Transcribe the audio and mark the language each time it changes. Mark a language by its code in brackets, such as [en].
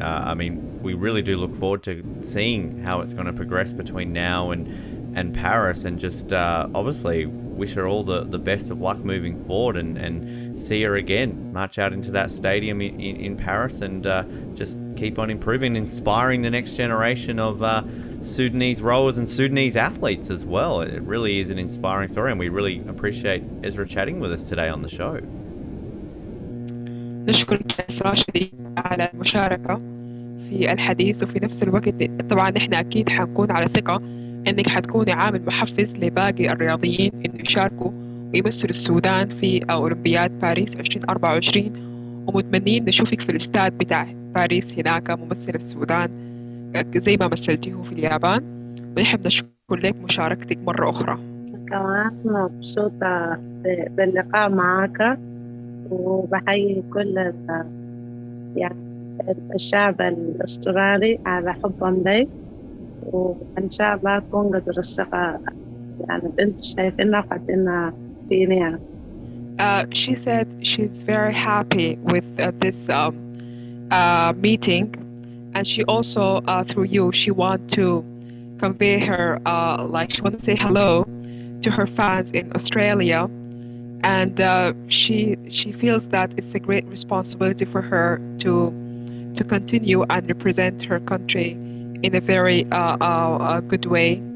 [en] I mean, we really do look forward to seeing how it's going to progress between now and Paris, and just obviously wish her all the best of luck moving forward and see her again march out into that stadium in Paris and just keep on improving, inspiring the next generation of Sudanese rowers and Sudanese athletes as well. It really is an inspiring story, and we really appreciate Ezra chatting with us today on the show. [ar] نشكرك إسراء شديد على المشاركة في الحديث، وفي نفس الوقت طبعا احنا اكيد حنكون على ثقة انك حتكوني عامل محفز لباقي الرياضيين انه يشاركوا ويمثلوا السودان في اولمبياد باريس 2024، ومتمنين نشوفك في الاستاد بتاع باريس هناك ممثل السودان زي ما مثلتيه في اليابان. ونحب نشكر لك مشاركتك مرة أخرى. كمان مبسوطة باللقاء معك، وبحيي كل يعني الشعب الأسترالي على حبهم لي، وإن شاء الله أكون قد رسقة يعني أنت شايفين قد إنها فيني. [en] She said she's very happy with this meeting. And she also, through you, she want to convey her, like she want to say hello to her fans in Australia. And she feels that it's a great responsibility for her to continue and represent her country in a very good way.